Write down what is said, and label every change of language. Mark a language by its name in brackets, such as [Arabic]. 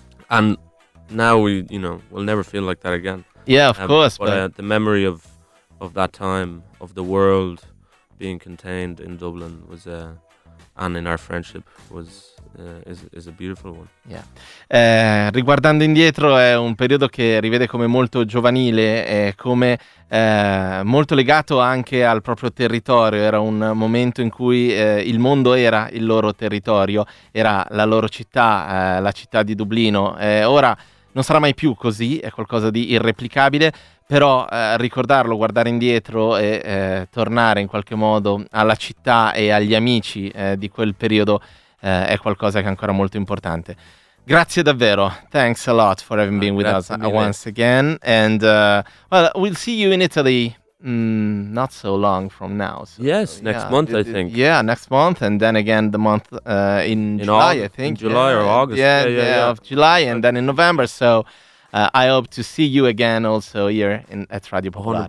[English] And now we'll never feel like that again. Yeah, of course. But the memory of that time, of the world being contained in Dublin, was and in our friendship was is a beautiful one. Yeah. [Italian] Riguardando indietro, è un periodo che rivede come molto giovanile e come molto legato anche al proprio territorio. Era un momento in cui il mondo era il loro territorio, era la loro città, la città di Dublino. Ora non sarà mai più così, è qualcosa di irreplicabile, però ricordarlo, guardare indietro e tornare in qualche modo alla città e agli amici di quel periodo è qualcosa che è ancora molto importante. Grazie davvero. [English] Thanks a lot for having been with us once again. And well, we'll see you in Italy not so long from now. So, yes, so, next month, I think. Yeah, next month. And then again, the month in July, August, I think. In July or August. Yeah, of July. And then in November. So I hope to see you again also here at Radio Popolare.